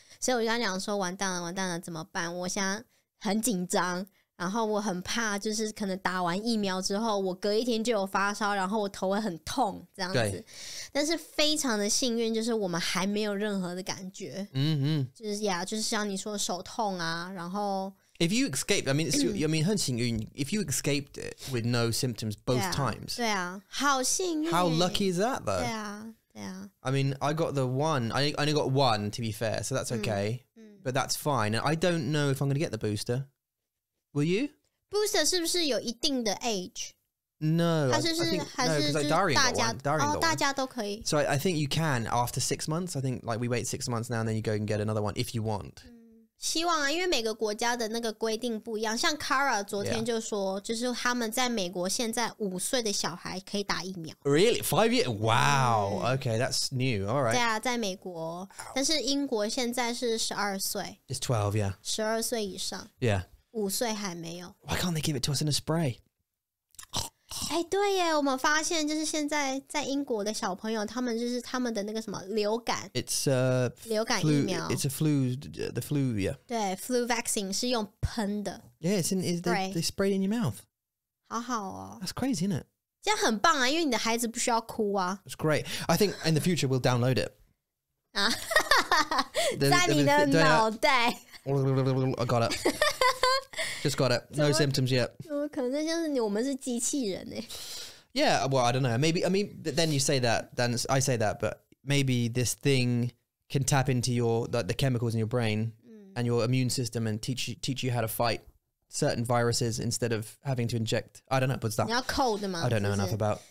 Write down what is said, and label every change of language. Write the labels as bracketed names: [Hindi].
[Chinese] 所以我就跟他讲说，完蛋了，完蛋了，怎么办？我现在很紧张，然后我很怕，就是可能打完疫苗之后，我隔一天就有发烧，然后我头会很痛这样子。但是非常的幸运，就是我们还没有任何的感觉。就是呀，就是像你说手痛啊，然后。 [English] If you escaped, I mean, it's, I mean, [Chinese] 很幸运。 [English] If you escaped it with no symptoms both times, [Chinese] 对啊，好幸运。 [English] How lucky is that, though? [Chinese] 对啊，对啊。 [English] I mean, I got the one. I only got one, to be fair, so that's okay. But that's fine. I don't know if I'm going to get the booster. Will you? [Chinese] Booster 是不是有一定的 age? [English] No. [Chinese] 它是不是 [English] I think Darian got one. [Chinese] 大家都可以。 [English] So I think you can after 6 months. I think like we wait 6 months now and then you go and get another one if you want. [Chinese] 希望啊，因为每个国家的那个规定不一样。像 Kara 昨天就说， yeah. 就是他们在美国现在五岁的小孩可以打疫苗。 [English] Really? 5 years? Wow.、Mm. Okay, that's new. All right. [Chinese] 对啊，在美国， wow. 但是英国现在是12岁。 [English] It's 12, yeah. [Chinese] 12岁以上。 [English] Yeah. [Chinese] 五岁还没有。 [English] Why can't they give it to us in a spray? [Chinese] 哎，对耶，我们发现就是现在在英国的小朋友，他们就是他们的那个什么流感 [English] ，It's a [Chinese] 流感疫苗 [English] ，It's a flu, the flu, yeah. [Chinese] 对 ， [English] flu vaccine [Chinese] 是用喷的 [English] ，Yeah, it's in, is they spray it in your mouth. [Chinese] 好好哦 [English] ，That's crazy, isn't it? [Chinese] 这样很棒啊，因为你的孩子不需要哭啊。 [English] It's great. I think in the future we'll download it. [Chinese] 啊，在你的脑袋。 [English] I got it. Just got it. No symptoms yet. [Chinese] 可能就是你，我们是机器人欸。 [English] Yeah, well, I don't know. Maybe, I mean, then you say that, then I say that, but maybe this thing can tap into your, like, the chemicals in your brain and your immune system and teach you how to fight certain viruses instead of having to inject. I don't know, what's that? [Chinese] 你要 code 吗? [English] I don't know enough about.